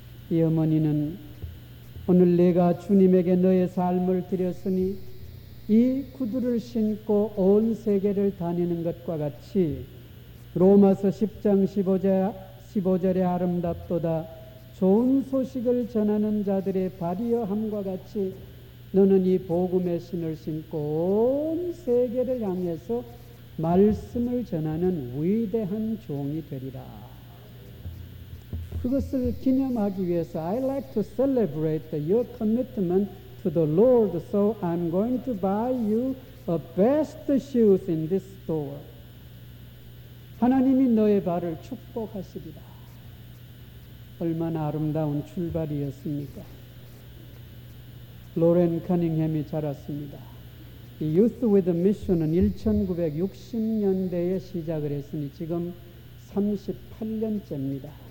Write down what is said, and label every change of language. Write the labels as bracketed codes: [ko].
[ko] 이 어머니는 오늘 내가 주님에게 너의 삶을 드렸으니 이 구두를 신고 온 세계를 다니는 것과 같이 로마서 10장 15절의 아름답도다 좋은 소식을 전하는 자들의 발이여함과 같이 너는 이 복음의 신을 신고 온 세계를 향해서 말씀을 전하는 위대한 종이 되리라. 그것을 기념하기 위해서 [en] I like to celebrate your commitment to the Lord, so I'm going to buy you a best shoes in this store. [ko] 하나님이 너의 발을 축복하시리라. 얼마나 아름다운 출발이었습니까? 로렌 커닝햄이 자랐습니다. Youth with a Mission은 1960년대에 시작을 했으니 지금 38년째입니다.